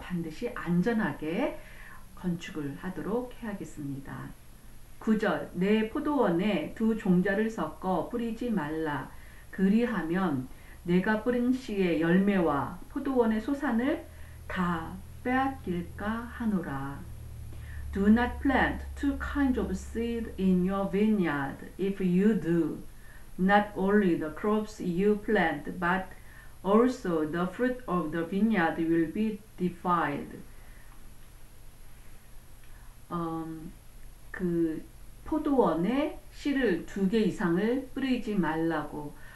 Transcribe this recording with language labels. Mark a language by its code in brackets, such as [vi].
[ko] 반드시 안전하게 건축을 하도록 해야겠습니다. 9절 내 포도원에 두 종자를 섞어 뿌리지 말라. 그리하면 내가 뿌린 씨의 열매와 포도원의 소산을 다 빼앗길까 하노라. [en] Do not plant two kinds of seed in your vineyard if you do. Not only the crops you plant, but also the fruit of the vineyard will be defiled. [ko] 그 포도원에 씨를 두 개 이상을 뿌리지 말라고.